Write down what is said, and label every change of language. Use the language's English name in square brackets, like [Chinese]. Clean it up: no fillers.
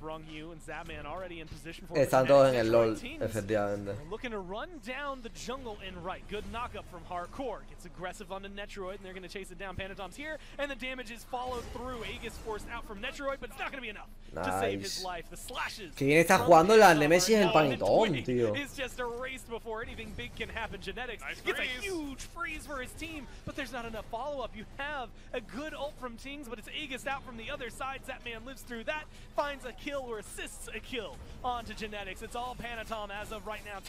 [English] Rong Yu and Zapman already in position for [Spanish] están todos en el LOL, efectivamente. [English] Looking to run down the jungle in right. Good knockup from Hardcore. Gets aggressive onto Netroid, and they're going to chase it down. Panatom's here, and the damage is followed through. Aegis forced out from Netroid, but it's not going to be enough nice. To save his life. The slashes. [Spanish] ¿Quién está jugando la Nemesis el Panatom, tío? [English] It's just erased before anything big can happen. Genetics gets nice a huge freeze for his team, but there's not enough follow-up. You have a good ult from Tings, but it's Aegis out from the other side. Zapman lives through that. Finds a kill or assists a kill onto Genetics. It's all Panatom as of right now.